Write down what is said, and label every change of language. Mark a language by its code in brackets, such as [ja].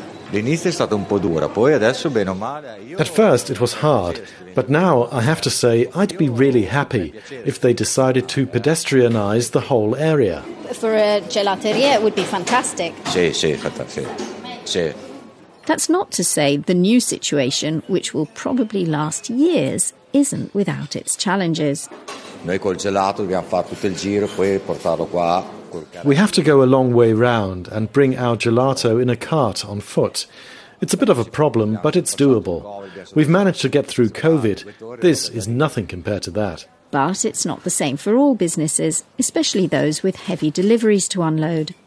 [en] At first it was hard, but now I have to say I'd be really happy if they decided to pedestrianize the whole area. For a gelateria it would be fantastic. That's not to say the new situation, which will probably last years, isn't without its challenges. [it] Noi col gelato dobbiamo fare tutto il giro, poi portarlo qua. [en] We have to go a long way round and bring our gelato in a cart on foot. It's a bit of a problem, but it's doable. We've managed to get through COVID. This is nothing compared to that. But it's not the same for all businesses, especially those with heavy deliveries to unload.